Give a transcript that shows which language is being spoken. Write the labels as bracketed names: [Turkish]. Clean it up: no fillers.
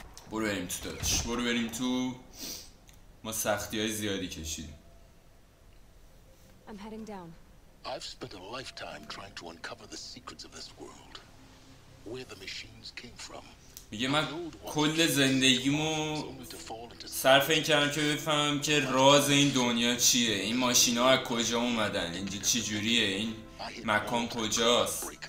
[Persian] برو بریم تو داداش، برو بریم تو، ما سختی های زیادی کشیدیم. [English] I've spent a lifetime trying to uncover the secrets of this world, where the machines came from. [Persian] میگه من کل زندگیمو صرف این کردم که بفهمم که راز این دنیا چیه، این ماشین ها از کجا اومدن، اینجا چی جوریه، این مکان کجاست.